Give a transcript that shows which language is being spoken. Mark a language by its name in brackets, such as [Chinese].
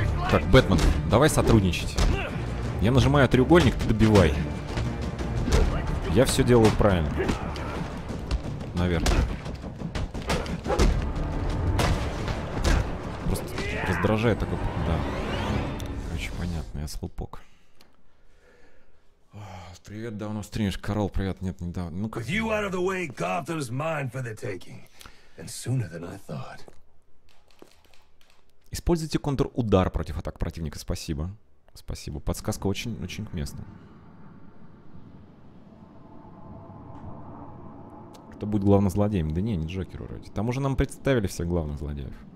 [Russian] Так, Бэтмен, давай сотрудничать. Я нажимаю треугольник, ты добивай. Я все делаю правильно. Наверное. Просто раздражает такой... Да. Короче, понятно, я слупок. Привет, давно стримишь. Карл, привет. Нет, недавно. Ну-ка. [English] If you out of the way, Gotham's mine for the taking. And sooner than I thought. [Russian] Используйте контрудар против атак противника. Спасибо. Спасибо. Подсказка очень-очень к месту. Кто будет главным злодеем? Да не, не Джокер вроде. Там уже нам представили всех главных злодеев.